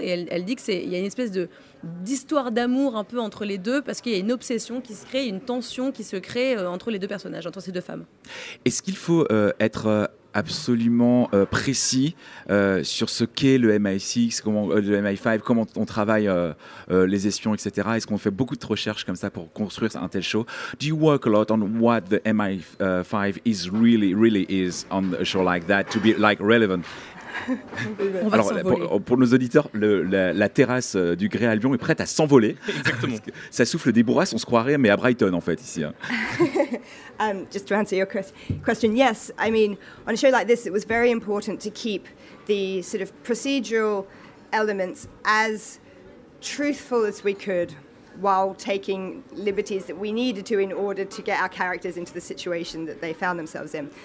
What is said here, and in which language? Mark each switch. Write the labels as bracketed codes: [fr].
[fr] Et elle dit que c'est il y a une espèce de d'histoire d'amour un peu entre les deux, parce qu'il y a une obsession qui se crée, une tension qui se crée entre les deux personnages, entre ces deux femmes. Est-ce qu'il faut être absolument précis sur ce qu'est le MI6, comment, le MI5, comment on travaille les espions, etc. Est-ce qu'on fait beaucoup de recherches comme ça pour construire un tel show? [en] Do you work a lot on what the MI5 is really is on a show like that to be like relevant? [fr] On va alors, pour nos auditeurs, la terrasse du Gré à Lyon est prête à s'envoler. Exactement. Ça souffle des bourrasques, on se croirait, mais à Brighton, en fait, ici. [en] Just to answer your question, yes, I mean, on a show like this, it was very important to keep the sort of procedural elements as truthful as we could, while taking liberties that we needed to in order to get our characters into the situation that they found themselves in.